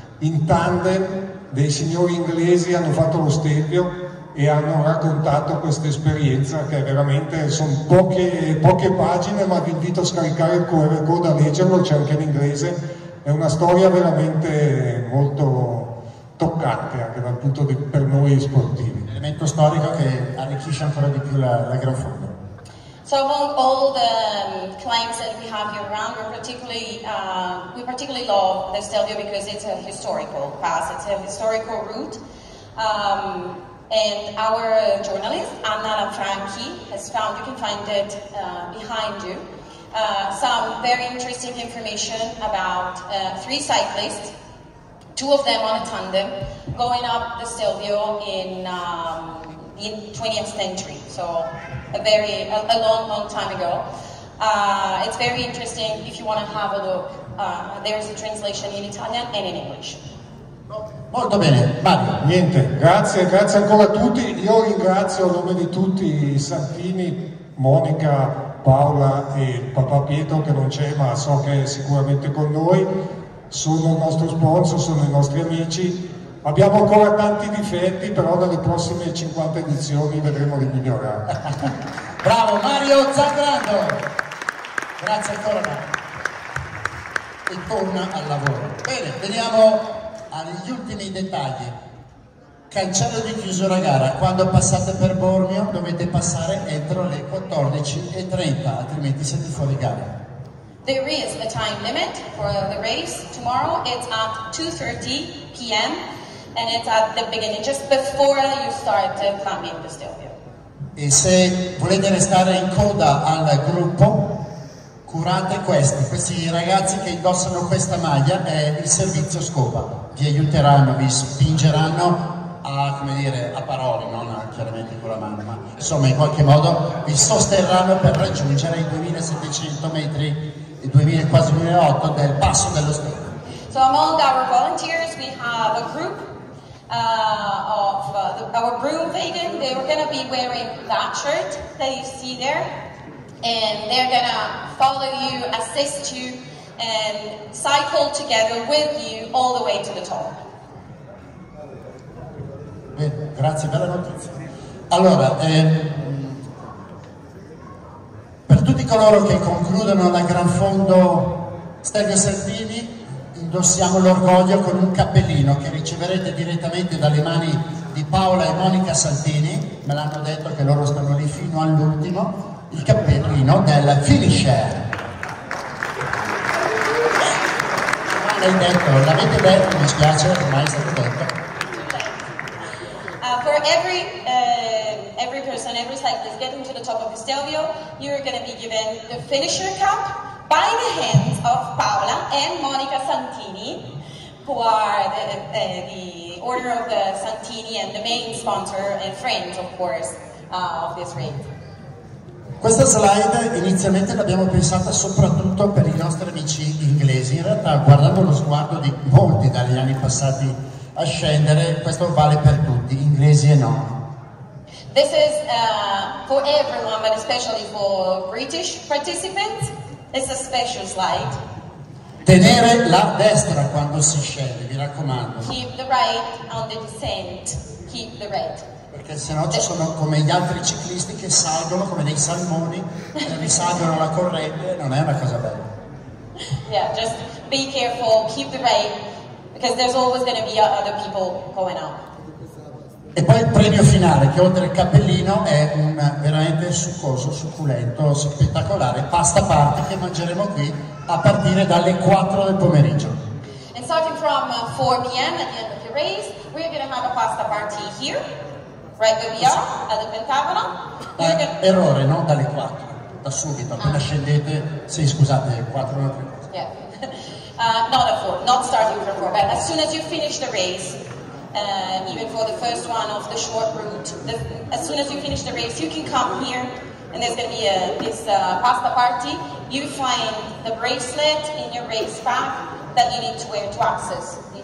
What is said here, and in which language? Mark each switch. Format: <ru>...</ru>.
<it>In tandem dei signori inglesi hanno fatto lo Stelvio e hanno raccontato questa esperienza che è veramente, sono poche pagine, ma vi invito a scaricare il QR code a leggerlo, c'è anche in inglese. È una storia veramente molto toccante anche dal punto di per noi sportivi. Elemento storico che arricchisce ancora di più la Gran Fondo.</it> <en>So among all the climbs that we have here around, we particularly love the Stelvio because it's a historical pass, it's a historical route. And our journalist Anna Lanfranchi has found, you can find it behind you, some very interesting information about three cyclists, two of them on a tandem, going up the Stelvio in 20th century, so a long, long time ago. It's very interesting. If you want to have a look, there is a translation in Italian and in English.</en> <it>Molto bene, Mario. Niente, grazie ancora a tutti. Io ringrazio a nome di tutti Santini, Monica, Paola e papà Pietro, che non c'è ma so che è sicuramente con noi. Sono il nostro sponsor, sono i nostri amici. Abbiamo ancora tanti difetti, però nelle prossime 50 edizioni vedremo di migliorare. Bravo Mario Zagrando, grazie ancora e torna al lavoro. Bene, vediamo agli ultimi dettagli. Cancello di chiusura gara: quando passate per Bormio dovete passare entro le 14:30, altrimenti siete fuori gara.</it> <en>There is a time limit for the race. Tomorrow it's at 2:30 p.m. and it's at the beginning, just before you start climbing the Stelvio.</en> <it>E se volete restare in coda al gruppo, curate questi ragazzi che indossano questa maglia, è il servizio scopa. Vi aiuteranno, vi spingeranno a parole, non chiaramente con la mano, ma insomma in qualche modo vi sosterranno per raggiungere i 2700 metri, i 2000, quasi 2008 del passo dello Stelvio.</it> <en>So among our volunteers we have a group of our broom vegan. They were going to be wearing that shirt that you see there, and they're going to follow you, assist you, and cycle together with you all the way to the top.</en> <it>Bene, grazie, bella notizia. Allora, per tutti coloro che concludono la Gran Fondo Stelvio Santini, indossiamo l'orgoglio con un cappellino che riceverete direttamente dalle mani di Paola e Monica Santini. Me l'hanno detto che loro stanno lì fino all'ultimo, il cappellino del finisher. L'hai detto, l'avete detto, mi spiace, ormai è stato detto.</it> <en>For every person, every cyclist getting to the top of the Stelvio, you're going to be given the finisher cap by the hands of Paola and Monica Santini, who are the order of the Santini and the main sponsor and friend, of course, of this race.</en> <it>Questa slide inizialmente l'abbiamo pensata soprattutto per i nostri amici inglesi. In realtà, guardando lo sguardo di molti dagli anni passati a scendere, questo vale per tutti, inglesi e non.</it> <en>This is for everyone, but especially for British participants. It's a special slide.</en> <it>Tenere la destra quando si sceglie, mi raccomando.</it> <en>Keep the right on the descent. Keep the red.</en> <it>Perché sennò ci sono come gli altri ciclisti che salgono come dei salmoni e risalgono la corrente, non è una cosa bella.</it> <en>Yeah, just be careful, keep the right, because there's always going to be other people going up.</en> <it>E poi il premio finale, che oltre al cappellino è un veramente succoso, succulento, spettacolare pasta party che mangeremo qui a partire dalle 4 del pomeriggio.</it> <en>And starting from 4 p.m. at the end of the race, we're going to have a pasta party here. Right,</en> <it>via,</it> <en>gonna...</en> <it>errore, no? Dalle 4, da subito, appena scendete, sì, scusate, 4 non è più.</it> <en>Yeah. Not at 4, not starting from 4, but as soon as you finish the race, even for the first one of the short route, as soon as you finish the race, you can come here, and there's gonna be pasta party. You find the bracelet in your race pack that you need to wear to access.</en>